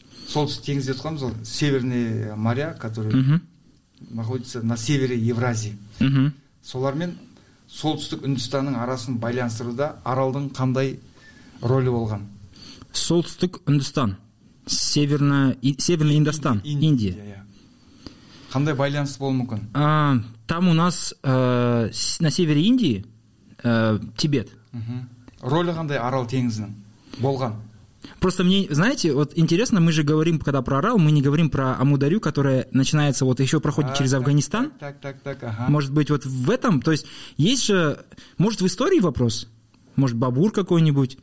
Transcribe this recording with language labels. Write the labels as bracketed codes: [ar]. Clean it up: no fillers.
[kk] Солтүстік теңіз деп қоямыз, ол [ru] Северный моря, который находится на севере Евразии. [kk] Солармен солтүстік Үндістанның арасын байланыстыруда Аралдың қандай рөлі болған? Солтүстік Үндістан, [ru] Северный Индостан, Индия. [kk] Қандай байланыс болу мүмкін? [ru] Там у нас на севере Индии Тибет. [kk] Роли қандай Арал теңізінің болған? [ru] Просто мне, знаете, вот интересно, мы же говорим, когда про Арал, мы не говорим про Амударью, которая начинается, вот еще проходит через Афганистан. Так, ага. Может быть, вот в этом, то есть есть же, может, в истории вопрос? Может, Бабур какой-нибудь?